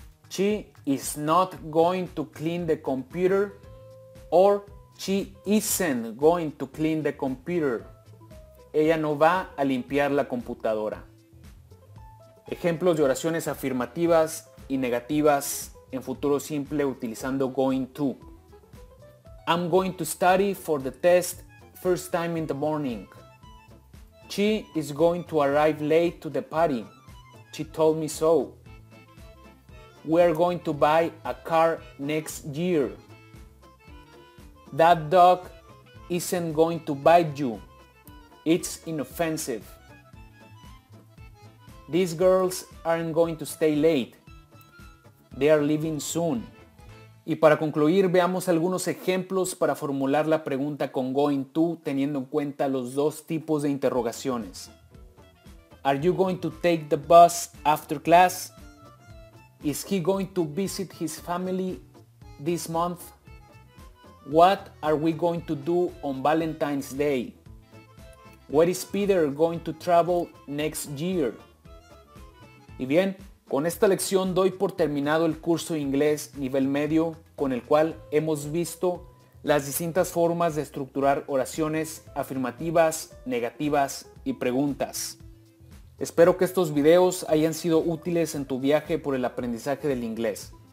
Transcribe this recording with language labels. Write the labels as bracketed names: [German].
[English] She is not going to clean the computer. Or she isn't going to clean the computer. [Spanish] Ella no va a limpiar la computadora. Ejemplos de oraciones afirmativas y negativas en futuro simple utilizando going to. [English] I'm going to study for the test first time in the morning. She is going to arrive late to the party. She told me so. We are going to buy a car next year. That dog isn't going to bite you. It's inoffensive. These girls aren't going to stay late. They are leaving soon. [Spanish] Y para concluir, veamos algunos ejemplos para formular la pregunta con going to teniendo en cuenta los dos tipos de interrogaciones. [English] Are you going to take the bus after class? Is he going to visit his family this month? What are we going to do on Valentine's Day? Where is Peter going to travel next year? [Spanish] Y bien, Con esta lección doy por terminado el curso de inglés nivel medio, con el cual hemos visto las distintas formas de estructurar oraciones afirmativas, negativas y preguntas. Espero que estos videos hayan sido útiles en tu viaje por el aprendizaje del inglés.